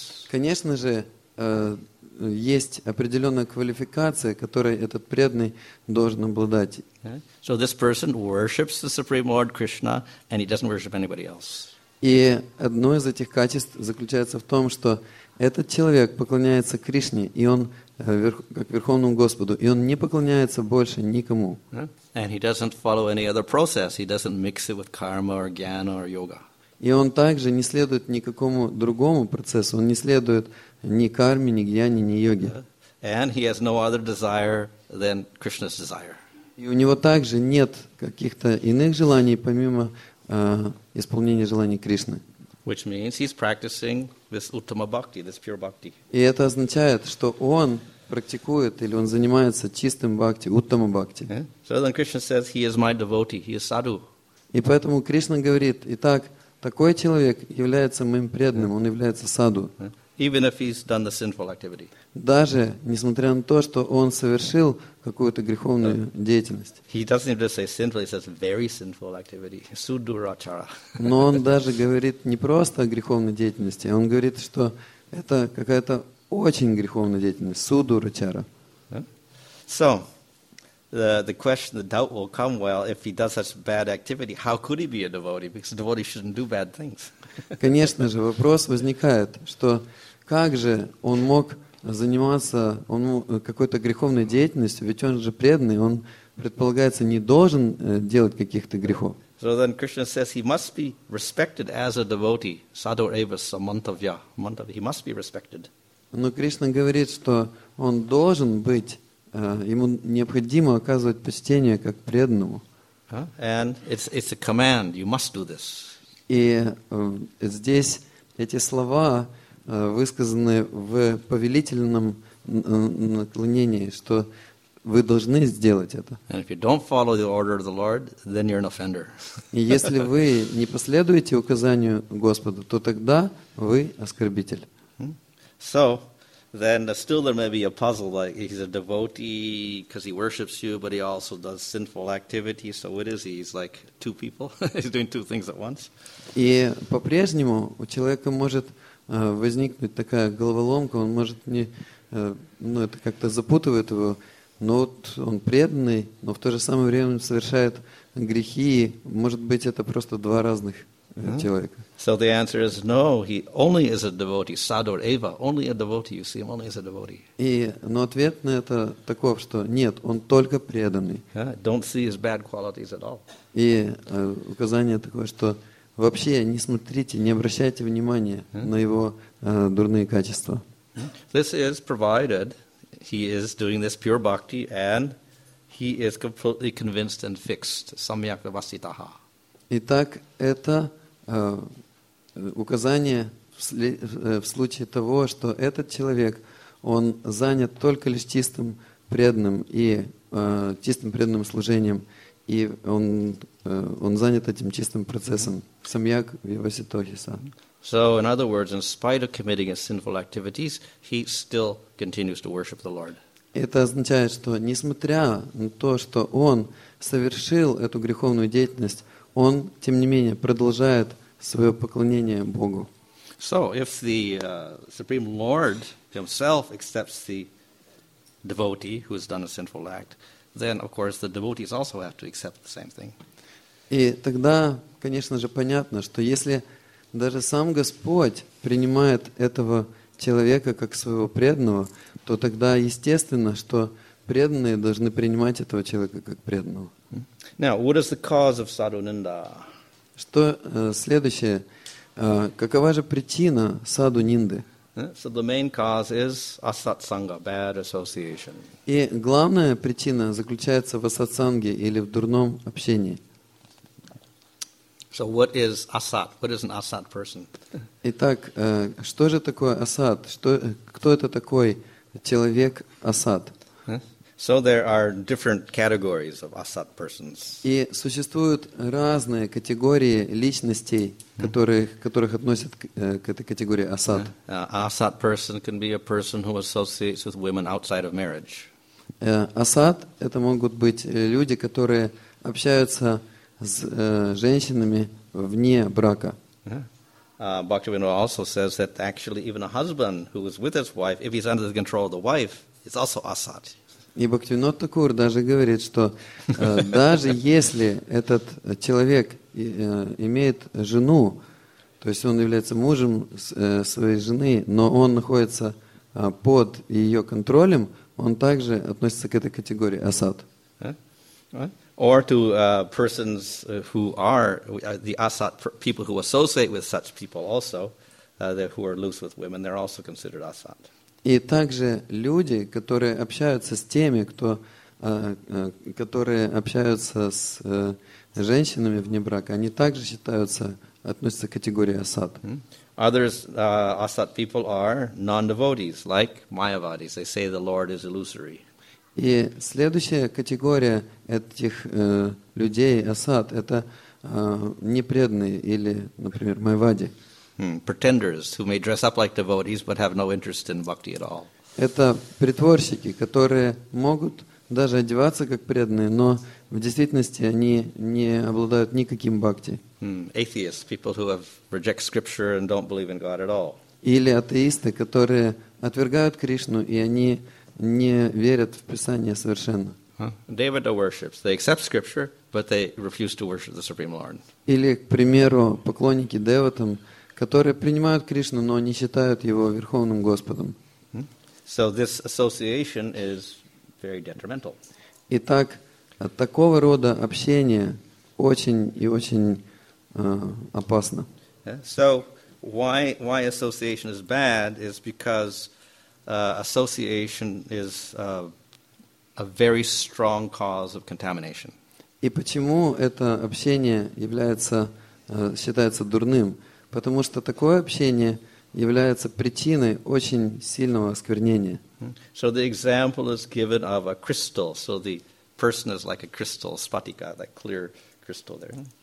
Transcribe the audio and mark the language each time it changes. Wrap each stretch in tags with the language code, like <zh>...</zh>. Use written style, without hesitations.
<ru>Конечно же, есть определенная квалификация, которой этот преданный должен обладать.</ru> <en>So this person worships the Supreme Lord Krishna, and he doesn't worship anybody else.</en> <ru>И одно из этих качеств заключается в том, что Этот человек поклоняется Кришне, и он как Верховному Господу, и он не поклоняется больше никому.</ru> <en>And he doesn't follow any other process. He doesn't mix it with karma or jnana or yoga.</en> <ru>И он также не следует никакому другому процессу. Он не следует ни карме, ни гьяне, ни йоге.</ru> <en>And he has no other desire than Krishna's desire.</en> <ru>И у него также нет каких-то иных желаний, помимо исполнения желаний Кришны.</ru> <en>Which means he's practicing this uttama bhakti, this pure bhakti.</en> <ru>И это означает, что он практикует или он занимается чистым бхакти, уттама бхакти.</ru> <en>So then Krishna says, he is my devotee, he is sadhu.</en> <ru>И поэтому Кришна говорит, итак, такой человек является моим преданным, он является саду.</ru> <en>Even if he's done the sinful activity.</en> <ru>Даже несмотря на то, что он совершил какую-то греховную деятельность.</ru> <en>He doesn't even say sinful, he says very sinful activity.</en> <sa>Sudurachara.</sa> <ru>Но он даже говорит не просто о греховной деятельности, он говорит, что это какая-то очень греховная деятельность.</ru> <sa>Sudurachara.</sa> <en>So, the question, the doubt will come, well, if he does such bad activity, how could he be a devotee? Because a devotee shouldn't do bad things.</en> <ru>Конечно же, вопрос возникает, что как же он мог заниматься какой-то греховной деятельностью, ведь он же преданный, он, предполагается, не должен делать каких-то грехов.</ru> <en>So then Krishna says he must be respected as a devotee,</en> <sa>sadhu eva samantavya,</sa> <en>he must be respected.</en> <ru>Но Кришна говорит, что он должен быть, ему необходимо оказывать почтение как преданному.</ru> <en>And it's a command, you must do this.</en> <ru>И здесь эти слова высказаны в повелительном наклонении, что вы должны сделать это.</ru> <en>And if you don't follow the order of the Lord, then you're an offender.</en> <ru>И если вы не последуете указанию Господа, то тогда вы оскорбитель.</ru> <en>So, then still there may be a puzzle, like he's a devotee because he worships you, but he also does sinful activity, so what is he? He's like two people, he's doing two things at once.</en> <ru>И по-прежнему у человека может возникнуть такая головоломка, он может не, ну это как-то запутывает его, но вот он преданный, но в то же самое время совершает грехи, и может быть это просто два разных человека.</ru> <en>So the answer is no, he only is a devotee,</en> <sa>sadhur eva,</sa> <en>only a devotee, you see him only as a devotee.</en> <ru>И, но ответ на это таков, что нет, он только преданный.</ru> <en>Don't see his bad qualities at all.</en> <ru>И указание такое, что вообще не смотрите, не обращайте внимания на его дурные качества.</ru> <en>This is provided he is doing this pure bhakti and he is completely convinced and fixed.</en> <sa>Samyak vasitaha.</sa> <ru>Итак, это указание в случае того, что этот человек, он занят только лишь чистым преданным и чистым преданным служением. И он занят этим чистым процессом.</ru> <sa>Самьяк вивасситохиса.</sa> <en>So, in other words, in spite of committing his sinful activities, he still continues to worship the Lord.</en> <ru>Это означает, что несмотря на то, что он совершил эту греховную деятельность, он, тем не менее, продолжает свое поклонение Богу.</ru> <en>So, if the Supreme Lord himself accepts the devotee who has done a sinful act, then, of course, the devotees also have to accept the same thing.</en> <ru>И тогда, конечно же, понятно, что если даже сам Господь принимает этого человека как своего преданного, то тогда естественно, что преданные должны принимать этого человека как преданного.</ru> <en>Now, what is the cause of sadhu ninda?</en> <ru>Что следующее? Какова же причина sadhu ninda?</ru> <en>So the main cause is asatsanga, bad association.</en> <ru>И главная причина заключается в асатсанге или в дурном общении.</ru> <en>So what is asat? What is an asat person?</en> <ru>Итак, что же такое асат? Кто это такой человек асат?</ru> <en>So there are different categories of asat persons.</en> <ru>И существуют разные категории личностей, которых относят к этой категории асат.</ru> <en>Asat person can be a person who associates with women outside of marriage.</en> <ru>Асат это могут быть люди, которые общаются с женщинами вне брака.</ru> <en>Bhaktivinoda also says that actually even a husband who is with his wife, if he's under the control of the wife, it's also asat.</en> <ru>И Бхактивинода Такур даже говорит, что даже если этот человек имеет жену, То есть он является мужем своей жены, но он находится под ее контролем, он также относится к этой категории, асад.</ru> <en>Or to persons who are the asad, people who associate with such people also, who are loose with women, they're also considered asad.</en> <ru>И также люди, которые общаются с теми, кто, которые общаются с женщинами вне брака, они также считаются, относятся к категории асад.</ru> <en>Others asad people are non-devotees, like Mayavadis. They say the Lord is illusory.</en> <ru>И следующая категория этих людей, асад, это непреданные или, например, майвади.</ru> <en>Pretenders who may dress up like devotees but have no interest in bhakti at all.</en> <ru>Это притворщики, которые могут даже одеваться как преданные, но в действительности они не обладают никаким бхакти.</ru> <en>Atheists, people who have reject scripture and don't believe in God at all.</en> <ru>Или атеисты, которые отвергают Кришну, и они не верят в Писание совершенно.</ru> <en>Devata worships. They accept scripture, but they refuse to worship the Supreme Lord.</en> <ru>Или, к примеру, поклонники деватам, которые принимают Кришну, но не считают его верховным Господом.</ru> <en>So this association is very detrimental.</en> <ru>Итак, такого рода общение очень и очень опасно.</ru> <en>So why association is bad is because association is a very strong cause of contamination.</en> <ru>И почему это общение является считается дурным? Потому что такое общение является причиной очень сильного осквернения.</ru> <en>So the example is given of a crystal. So the person is like a crystal, spatika, that clear crystal there.</en>